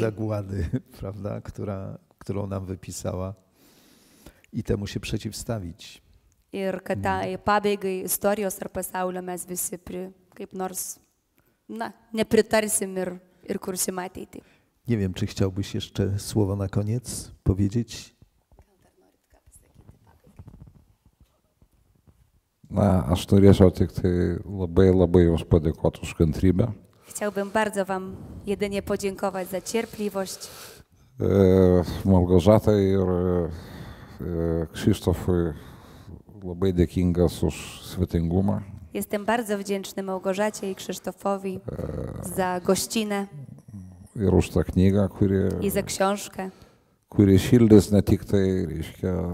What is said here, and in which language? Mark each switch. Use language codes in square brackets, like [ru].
[pl] zagłady, prawda, którą nam wypisała, i temu się przeciwstawić. [lt] Ir kad tai pabaigai istorijos ar pasaulio mes visi kaip nors, na, nepritarsim ir kursim ateitį. [pl] Nie wiem, czy chciałbyś jeszcze słowo na koniec powiedzieć? [lt] Na, aš turėčiau tik tai labai, labai jums padėkoti už kantrybę. [pl] Chciałbym bardzo wam jedynie podziękować za cierpliwość. [lt] Małgorzata ir Krzysztofui labai dėkingas už svetingumą. [pl] Jestem bardzo wdzięczny Małgorzacie i Krzysztofowi za gościnę. [lt] Ir už tą knygą, kuri... [pl] I za książkę. [lt] Kuri šildys ne tik tai, reiškia...